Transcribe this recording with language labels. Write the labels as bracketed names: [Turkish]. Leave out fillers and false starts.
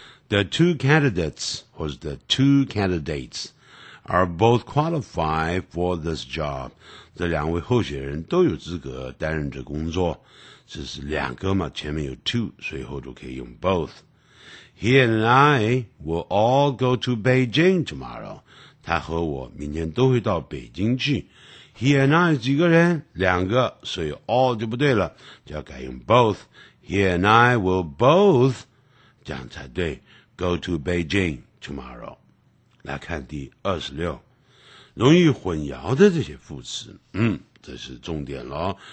[English] The two candidates, or the two candidates, are both qualified for this job. [Chinese] 这两位候选人都有资格担任这工作。这是两个嘛，前面有 two, 所以后都可以用 both. [English] He and I will all go to Beijing tomorrow. [Chinese] 他和我明天都会到北京去。 [English] He and I [Chinese] 几个人？两个，所以 all 就不对了，就要改用 both. [English] He and I will both... [Chinese] 这样才对 [English] ,go to Beijing tomorrow. [Chinese] 来看第26。容易混淆的这些副词，这是重点咯。